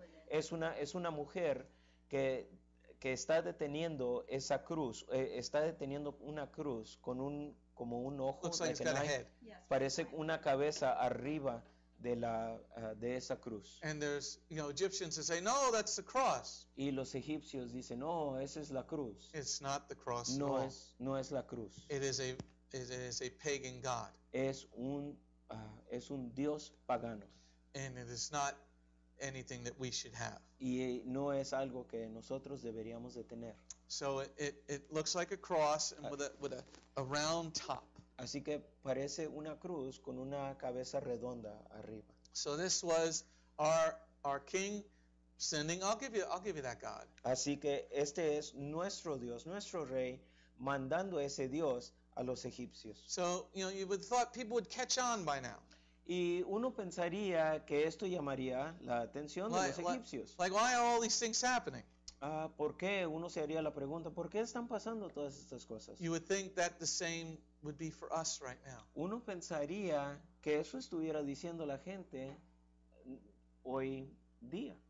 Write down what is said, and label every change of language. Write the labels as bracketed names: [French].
[Spanish] Es una mujer que está deteniendo esa cruz. Está deteniendo una cruz con un como un ojo. [English] Looks like it's got a head. [Spanish] Parece una cabeza arriba de la de esa cruz. [English] And there's, you know, Egyptians that say, no, that's the cross. [Spanish] Y los egipcios dicen, no, esa es la cruz. [English] It's not the cross. [Spanish] No es, no es la cruz. [English] It is a pagan god. [Spanish] Es un dios pagano. [English] And it is not anything that we should have. [Spanish] Y no es algo que nosotros deberíamos de tener. [English] So it looks like a cross and with a round top. [Spanish] Así que parece una cruz con una cabeza redonda arriba. [English] So this was our king sending. I'll give you that God. [Spanish] Así que este es nuestro Dios, nuestro rey, mandando ese Dios a los egipcios. [English] So, you know, you would thought people would catch on by now. [Spanish] Y uno pensaría que esto llamaría la atención de los egipcios. [English] Like, why are all these things happening? [Spanish] ¿Por qué? Uno se haría la pregunta, ¿por qué están pasando todas estas cosas? [English] You would think that the same would be for us right now. [Spanish] Uno pensaría que eso estuviera diciendo la gente hoy día.